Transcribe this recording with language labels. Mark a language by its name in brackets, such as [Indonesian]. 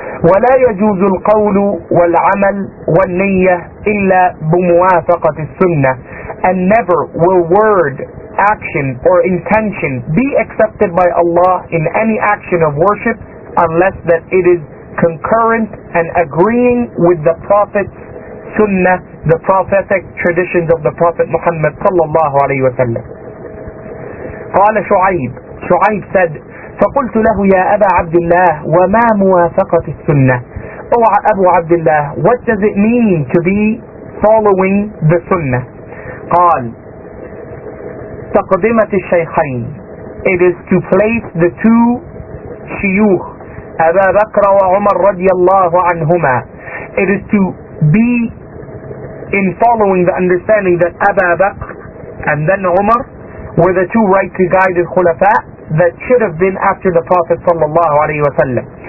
[Arabic] وَلَا يَجُوزُ الْقَوْلُ وَالْعَمَلُ وَالنِّيَّةِ إِلَّا بُمُوَافَقَةِ السُّنَّةِ [English] And never will word, action or intention be accepted by Allah in any action of worship unless that it is concurrent and agreeing with the Prophet's Sunnah, the prophetic traditions of the Prophet Muhammad sallallahu alayhi wa sallam. [Arabic] قال شعيب شعيب [English] said [Arabic] فقلت له يا أبا عبد الله وما موافقة السنة أو أبو عبد الله [English] What does it mean to be following the Sunnah? [Arabic] قال تقدمة الشيخين [English] It is to place the two شيوخ [Arabic] أبا بكر وعمر رضي الله عنهما [English] It is to be in following the understanding that Abu Bakr and then Umar were the two rightly guided khulafa that should have been after the Prophet sallallahu alayhi wa sallam.